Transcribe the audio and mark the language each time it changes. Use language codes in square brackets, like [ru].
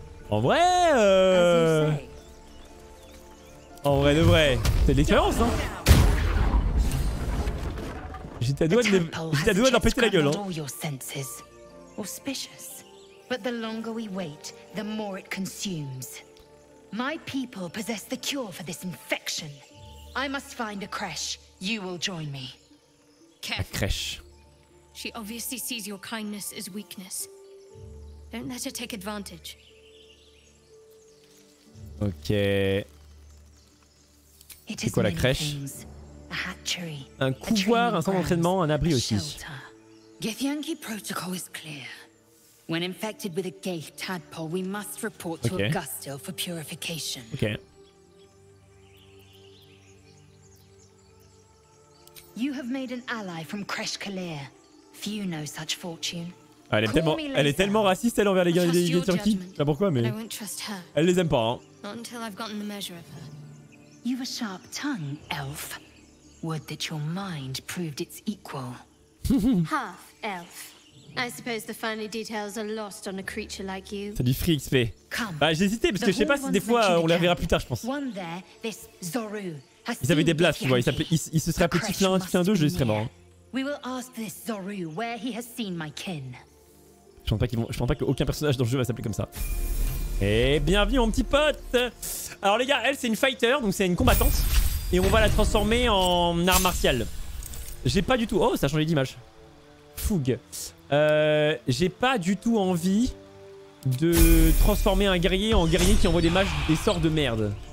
[fr] En vrai, En vrai de vrai, c'est de l'expérience, hein. J'étais à deux doigts d'en péter la gueule, hein. [en] Auspicious, but the longer we wait, the more it consumes. My people possess the cure for this infection. I must find a creche. You will join me. Careful. A creche. She obviously sees your kindness as weakness. Don't let her take advantage. Okay. It is [fr] quoi, la crèche? [en] A hatchery. [fr] Un couloir, un centre d'entraînement, un abri aussi. [en] Githyanki protocol is clear. When infected with a Gaith tadpole, we must report to Augusto for purification. Okay. You have made an ally from Kresh Kalir. Few know such fortune. [fr] Elle est tellement raciste, elle, envers les gars des Githyanki. Je sais pas pourquoi, mais... Elle les aime pas, hein. [en] Not until I've gotten the measure of her. You have a sharp tongue, elf. Would that your mind proved its equal. Half elf. I suppose the finer details are lost on a creature like you. [fr] C'est du free XP. Bah j'hésitais parce que je sais pas si des fois on les reverra plus tard, je pense. [en] One there, this Zoru, has [fr] ils avaient des blasts, tu vois. Il se serait appelé Titlin 2, je serais mort. [en] We will ask this Zoru where he has seen my kin. [fr] Je pense pas qu'aucun personnage dans le jeu va s'appeler comme ça. Et bienvenue mon petit pote. Alors les gars, elle c'est une fighter, donc c'est une combattante. Et on va la transformer en art martial. J'ai pas du tout... Oh, ça a changé d'image. Fougue. J'ai pas du tout envie de transformer un guerrier en guerrier qui envoie des mages, des sorts de merde.